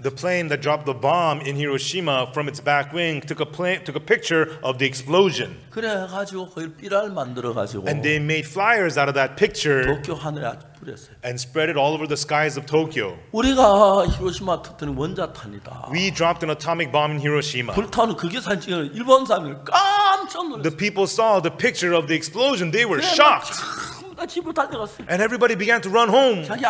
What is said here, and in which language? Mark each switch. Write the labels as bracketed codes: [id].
[en] The plane that dropped the bomb in Hiroshima from its back wing took a picture of the explosion. [ko] 그래 가지고 거의 비라를 만들어 가지고. [en] And they made flyers out of that picture. [ko] 도쿄 하늘에 아주 뿌렸어요. [en] And spread it all over the skies of Tokyo. [ko] 우리가 히로시마 터뜨린 원자탄이다. [en] We dropped an atomic bomb in Hiroshima. [ko] 불타는 그게 사진 찍어. 일본 사람들 깜짝 놀랐어. [en] The people saw the picture of the explosion. They were shocked. And everybody began to run home.